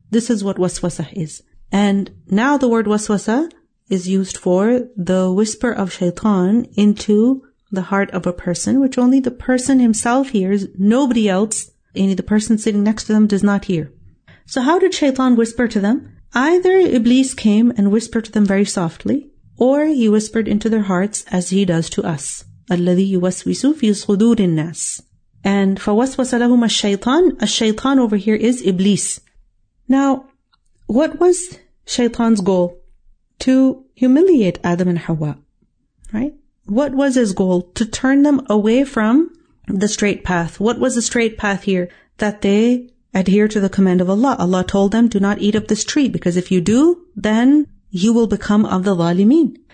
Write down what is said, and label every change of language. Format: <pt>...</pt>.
<en>This is what waswasa is. And now the word waswasa is used for the whisper of shaitan into the heart of a person, which only the person himself hears, nobody else, any the person sitting next to them does not hear. So how did Shaytan whisper to them? Either Iblis came and whispered to them very softly, or he whispered into their hearts as he does to us.</en> <ar>الَّذِي يُوَسْوِسُ فِي صُدُورِ النَّاسِ And فَوَسْوَسَ لَهُمَ الشَّيْطَانِ</ar> <en>A Shaytan over here is Iblis. Now, what was Shaytan's goal? To humiliate Adam and Hawa, right? What was his goal? To turn them away from the straight path. What was the straight path here? That they adhere to the command of Allah. Allah told them, do not eat of this tree, because if you do, then you will become of the zalimeen.</en>